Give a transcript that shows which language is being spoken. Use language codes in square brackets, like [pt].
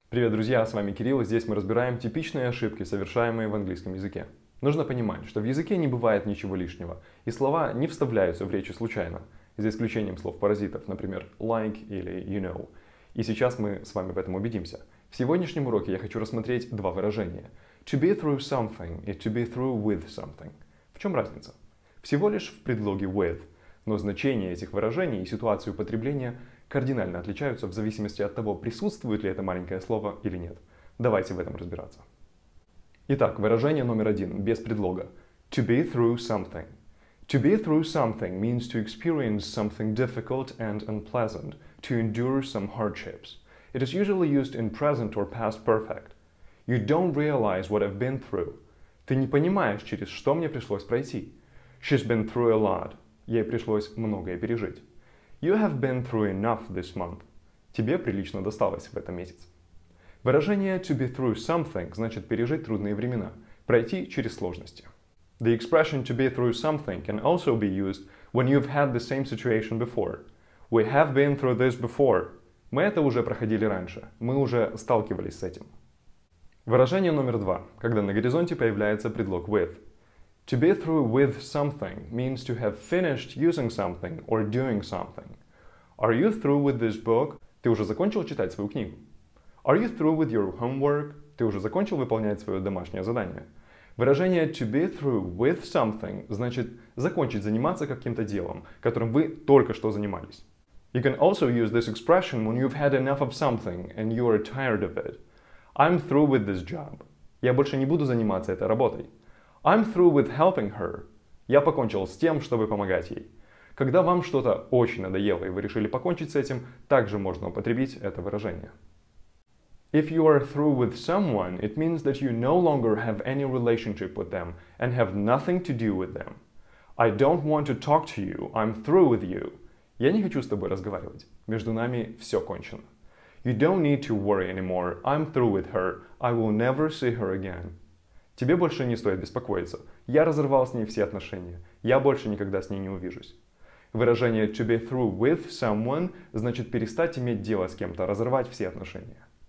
[ru] Привет, друзья, с вами Кирилл, и здесь мы разбираем типичные ошибки, совершаемые в английском языке. Нужно понимать, что в языке не бывает ничего лишнего, и слова не вставляются в речи случайно, за исключением слов-паразитов, например, like или you know. И сейчас мы с вами в этом убедимся. В сегодняшнем уроке я хочу рассмотреть два выражения. [en] To be through something [ru] и [en] to be through with something. [ru] В чем разница? Всего лишь в предлоге with, но значение этих выражений и ситуацию употребления кардинально отличаются в зависимости от того, присутствует ли это маленькое слово или нет. Давайте в этом разбираться. Итак, выражение номер один, без предлога. [en] To be through something. To be through something means to experience something difficult and unpleasant, to endure some hardships. It is usually used in present or past perfect. You don't realize what I've been through. [ru] Ты не понимаешь, через что мне пришлось пройти. [en] She's been through a lot. [ru] Ей пришлось многое пережить. [en] You have been through enough this month. [ru] Тебе прилично досталось в этом месяце. Выражение [en] to be through something [ru] значит пережить трудные времена, пройти через сложности. [en] The expression to be through something can also be used when you've had the same situation before. We have been through this before. [ru] Мы это уже проходили раньше, мы уже сталкивались с этим. Выражение номер два, когда на горизонте появляется предлог with. [en] To be through with something means to have finished using something or doing something. Are you through with this book? [ru] Ты уже закончил читать свою книгу? [en] Are you through with your homework? [ru] Ты уже закончил выполнять свое домашнее задание? Выражение [en] to be through with something [ru] значит закончить заниматься каким-то делом, которым вы только что занимались. [en] You can also use this expression when you've had enough of something and you are tired of it. I'm through with this job. [ru] Я больше не буду заниматься этой работой. [en] I'm through with helping her. [ru] Я покончил с тем, чтобы помогать ей. Когда вам что-то очень надоело и вы решили покончить с этим, также можно употребить это выражение. [en] If you are through with someone, it means that you no longer have any relationship with them and have nothing to do with them. I don't want to talk to you. I'm through with you. [ru] Я не хочу с тобой разговаривать. Между нами все кончено. [en] You don't need to worry anymore. I'm through with her. I will never see her again. [ru] Тебе больше не стоит беспокоиться. Я разорвал с ней все отношения. Я больше никогда с ней не увижусь. Выражение [en] to be through with someone [ru] значит перестать иметь дело с кем-то, разорвать все отношения.